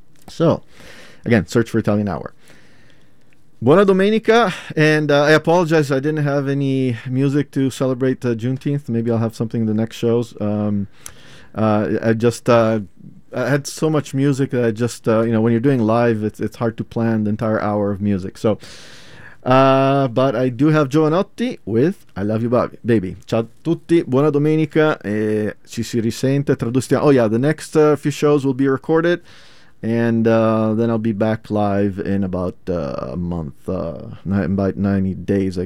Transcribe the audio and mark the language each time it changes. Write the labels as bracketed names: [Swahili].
[English] So, again, search for Italian Hour. [Italian] Buona domenica, [English] and I apologize, I didn't have any music to celebrate Juneteenth. Maybe I'll have something in the next shows. I had so much music that I just, you know, when you're doing live, it's hard to plan the entire hour of music. So, but I do have Jovanotti with I Love You Baby. [Italian] Ciao a tutti, buona domenica, e ci si risente, tradustiamo. [English] Oh yeah, the next few shows will be recorded, and then I'll be back live in about a month, about 90 days.